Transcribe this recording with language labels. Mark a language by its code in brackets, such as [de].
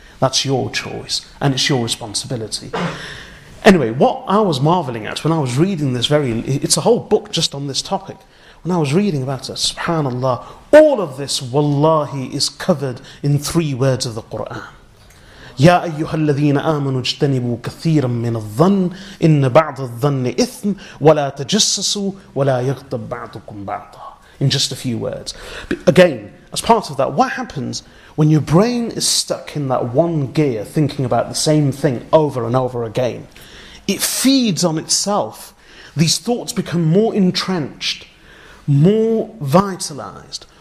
[en] That's your choice, and it's your responsibility. Anyway, what I was marvelling at when I was reading this it's a whole book just on this topic. When I was reading about it, subhanAllah, all of this, wallahi, is covered in three words of the Qur'an. [ar] يا أيها الذين آمنوا اجتنبوا كثيرا من الظن إن بعض الظن إثم ولا تجسسوا ولا يغضب بعضكم بعضا. [en] In just a few words. But again, as part of that, what happens when your brain is stuck in that one gear, thinking about the same thing over and over again? It feeds on itself. These thoughts become more entrenched, more vitalized,